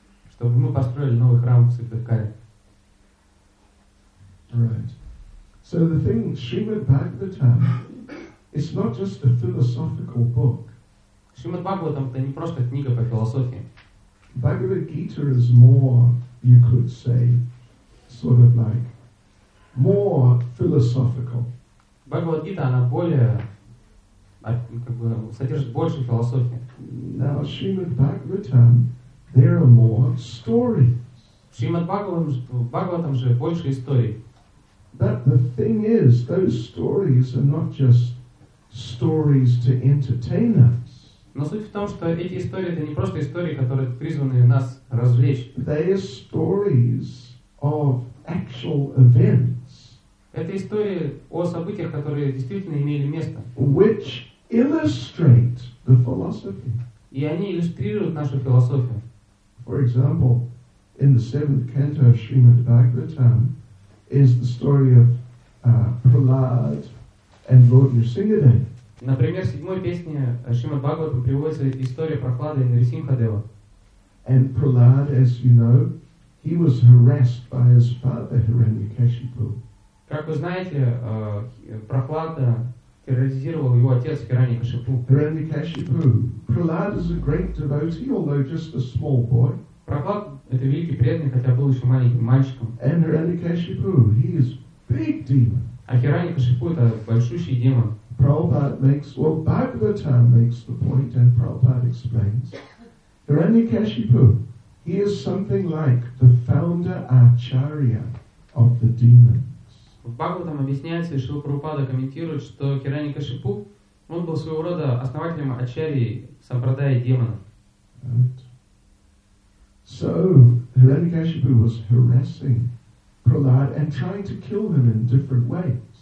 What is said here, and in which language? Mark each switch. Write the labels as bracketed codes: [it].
[ru] Чтобы мы построили новый храм в Сыктывкаре. [en] Right. So the thing, Srimad Bhagavatam, it's not just a philosophical book. [ru] Шримад Бхагаватам это не просто книга по философии. [en] Bhagavad Gita is more, you could say, sort of like more philosophical. [ru] Bhagavad Gita она более, как бы, содержит больше философии. [en] Now Shrimad Bhagavatam, there are more stories. [ru] Shrimad Bhagavatam же больше историй. [en] But the thing is, those stories are not just stories to entertain us. [ru] Но суть в том, что эти истории это не просто истории, которые призваны нас развлечь. [en] They are stories of actual events. [ru] Это истории о событиях, которые действительно имели место. [en] Which illustrate the philosophy. [ru] И они иллюстрируют нашу философию. [en] For example, in the seventh canto of Srimad Bhagavatam is the story of Prahlad and Lord Nrsimhadeva. [ru] Например, в седьмой песне Шримад Бхагаватам приводится история Прахлады и Нарисимхадева. [en] And Prahlad, as you know, he was harassed by his father Hiranyakashipu. [ru] Как вы знаете, Прахлада терроризировал его отец Хираньякашипу. [en] Hiranyakashipu. Prahlad is a great devotee, although just a small boy. [ru] Прахлад это великий преданный, хотя был еще маленьким мальчиком. [en] And Hiranyakashipu, he is big demon. [ru] А Хираньякашипу это большущий демон. [en] Bhagavatam makes the point, and Prabhupada explains. Hiranyakashipu, he is something like the founder acharya of the demons. [ru] В Бхагаватам объясняется, и Шрила Прабхупада комментирует, что Хиранья-кашипу, он был своего рода основателем ачарьи сампрадая демонов. [en] Right. So Hiranyakashipu was harassing Prahlad and trying to kill him in different ways.